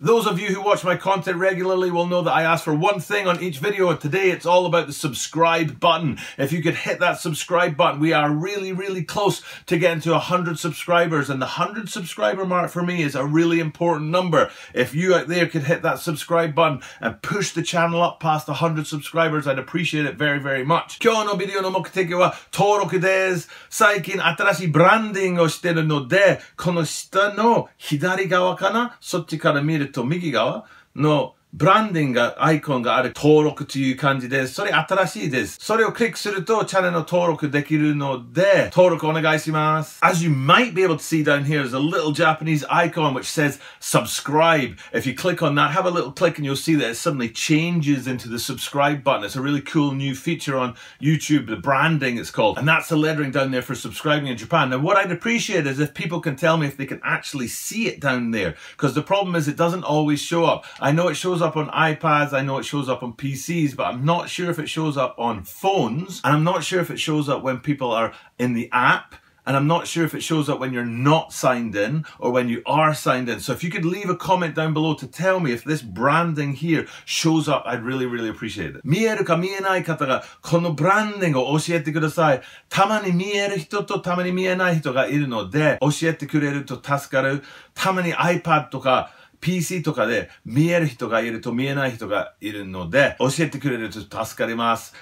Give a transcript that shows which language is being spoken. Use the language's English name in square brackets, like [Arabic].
[English] Those of you who watch my content regularly will know that I ask for one thing on each video and today it's all about the subscribe button. If you could hit that subscribe button, we are really, really close to getting to 100 subscribers, and the 100 subscriber mark for me is a really important number. If you out there could hit that subscribe button and push the channel up past 100 subscribers, I'd appreciate it very, very much. [Japanese] 今日のビデオの目的は登録です。最近新しいブランディングをしているので、この下の左側かな、そっちから見ると右側のブランディングがアイコンがある登録という感じです。それ新しいです。それをクリックするとチャンネルの登録できるので登録お願いします。 [English] As you might be able to see down here, there's a little Japanese icon which says subscribe. If you click on that, have a little click and you'll see that it suddenly changes into the subscribe button. It's a really cool new feature on YouTube, the branding it's called. And that's the lettering down there for subscribing in Japan. Now what I'd appreciate is if people can tell me if they can actually see it down there. Because the problem is it doesn't always show up. I know it shows up on iPads, I know it shows up on PCs, but I'm not sure if it shows up on phones, and I'm not sure if it shows up when people are in the app, and I'm not sure if it shows up when you're not signed in or when you are signed in. So if you could leave a comment down below to tell me if this branding here shows up, I'd really, really appreciate it. [Japanese] 見えるか見えない方がこのブランディングを教えてください。たまに見える人とたまに見えない人がいるので、教えてくれると助かる。たまに iPad とかPC とかで見える人がいると見えない人がいるので教えてくれると助かります。